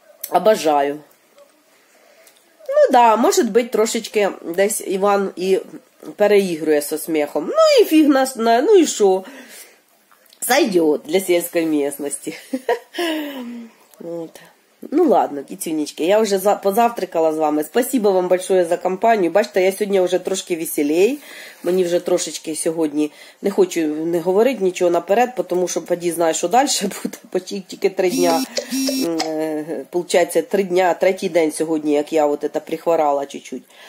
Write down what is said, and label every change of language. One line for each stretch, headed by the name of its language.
Ukrainian: Обожаю. Ну да, може бути трошечки десь Іван і переігрує зі сміхом. Ну і фіг нас, ну і що? Зайдет для сільської місцевості. От.
Russian: Ну ладно, китюнечки, я уже позавтракала с вами. Спасибо вам большое за компанию.
Ukrainian: Бачите, я сегодня уже трошки веселей. Мені вже трошечки сьогодні не хочу не говорити нічого наперед, тому що поді знаю, що далі буде. Почіть тільки три дня. Получається, три дня, третій день сьогодні, як я от це прихворала чуть-чуть.